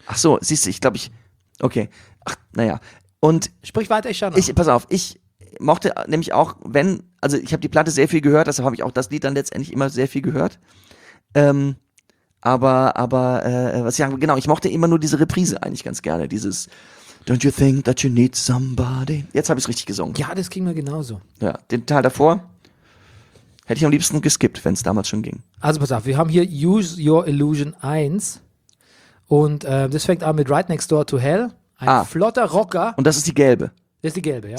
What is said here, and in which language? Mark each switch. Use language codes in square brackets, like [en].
[de] Ach so, siehst du, ich glaube ich, okay. Ach, naja. Und sprich weiter, ich schau nach. Ich mochte nämlich auch, ich habe die Platte sehr viel gehört, deshalb habe ich auch das Lied dann letztendlich immer sehr viel gehört. Ich mochte immer nur diese Reprise eigentlich ganz gerne, dieses... [en] Don't you think that you need somebody? [de] Jetzt habe ich es richtig gesungen. Ja, das ging mir genauso. Ja, den Teil davor hätte ich am liebsten geskippt, wenn es damals schon ging. Also pass auf, wir haben hier Use Your Illusion 1 und das fängt an mit Right Next Door to Hell. Ein flotter Rocker. Und das ist die gelbe. Das ist die gelbe, ja.